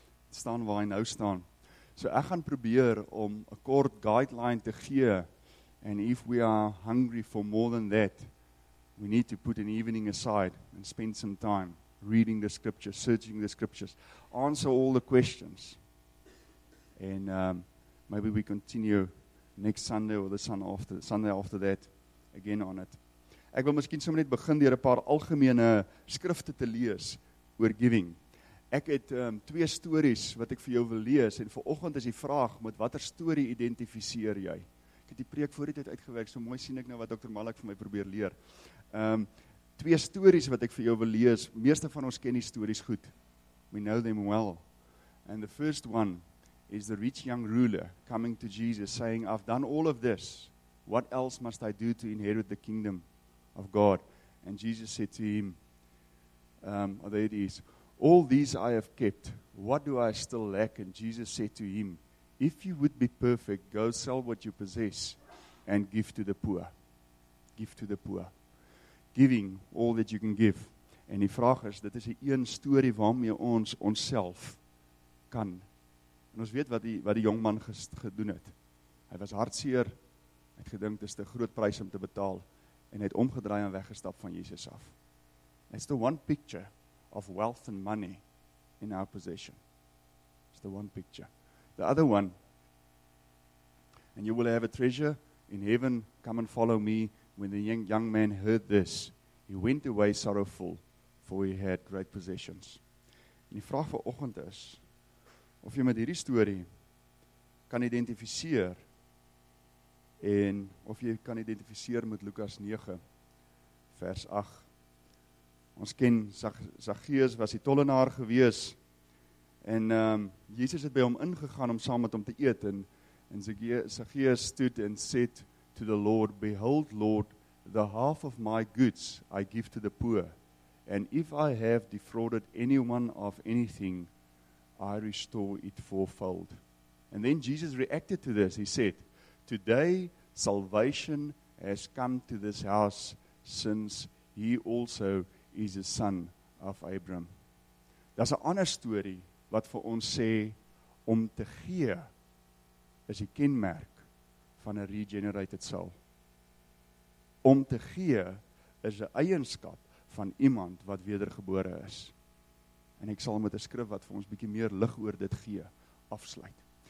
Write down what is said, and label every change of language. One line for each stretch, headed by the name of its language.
Afrikaans: Staan waar hy nou staan. So ek gaan probeer om 'n kort guideline te gee
English: and if we are hungry for more than that, we need to put an evening aside and spend some time reading the scriptures, searching the scriptures, answer all the questions. And maybe we continue next Sunday or the Sunday after that again on it.
Afrikaans: Ek wil miskien sommer net begin deur 'n paar algemene skrifte te lees oor giving. Ek het twee stories wat ek vir jou wil lees en vanoggend is die vraag met watter storie identifiseer jy? Ek het die preek voor die tyd uitgewerk, so mooi sien ek nou wat Dr. Malik vir my probeer leer. Twee stories wat ek vir jou wil lees. Meeste van ons ken die stories goed.
English: We know them well. And the first one is the rich young ruler coming to Jesus saying, I've done all of this. What else must I do to inherit the kingdom of God? And Jesus said to him, there it is. All these I have kept. What do I still lack? And Jesus said to him, if you would be perfect, go sell what you possess and give to the poor. Give to the poor. Giving all that you can give.
Afrikaans: En die vraag is, dit is die een story waarmee ons onsself kan. En ons weet wat die jong man gedoen het. Hy was hartseer, hy het gedink, dis te groot prys om te betaal, en hy het omgedraai en weggestap van Jesus af.
English: It's the one picture of wealth and money in our possession. It's the one picture. The other one, and you will have a treasure in heaven, come and follow me. When the young man heard this, he went away sorrowful, for he had great possessions.
Afrikaans: En die vraag vir oggend is, of jy met hierdie storie kan identifiseer, en of jy kan identifiseer met Lukas 9 vers 8. Ons ken Zaccheus was die tollenaar gewees, en Jesus het by hom ingegaan om saam met hom te eet,
English: en Zaccheus stood and said to the Lord, behold Lord, the half of my goods I give to the poor. And if I have defrauded anyone of anything, I restore it fourfold. And then Jesus reacted to this. He said, today salvation has come to this house, since he also is a son of Abraham.
Afrikaans: Dis 'n ander story wat vir ons sê, om te gee is die kenmerk van 'n
English: regenerated soul.
Afrikaans: Om te gee is 'n eienskap van iemand wat wedergebore is. En ek sal met 'n skrif wat vir ons bietjie meer lig oor dit gee, afsluit.